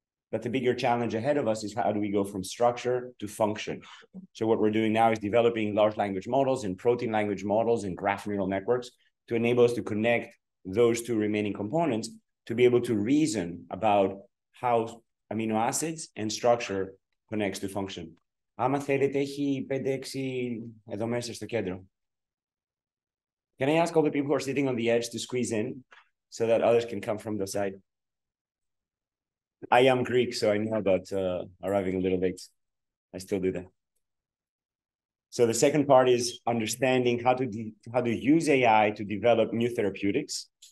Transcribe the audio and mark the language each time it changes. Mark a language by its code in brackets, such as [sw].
[en] But the bigger challenge ahead of us is how do we go from structure to function? So what we're doing now is developing large language models and protein language models and graph neural networks to enable us to connect those two remaining components to be able to reason about how amino acids and structure connects to function. [el] Άμα θέλετε, έχει 5-6 εδώ μέσα στο κέντρο. [en] Can I ask all the people who are sitting on the edge to squeeze in so that others can come from the side? I am Greek, so I know about arriving a little late. I still do that. So the second part is understanding how to use AI to develop new therapeutics.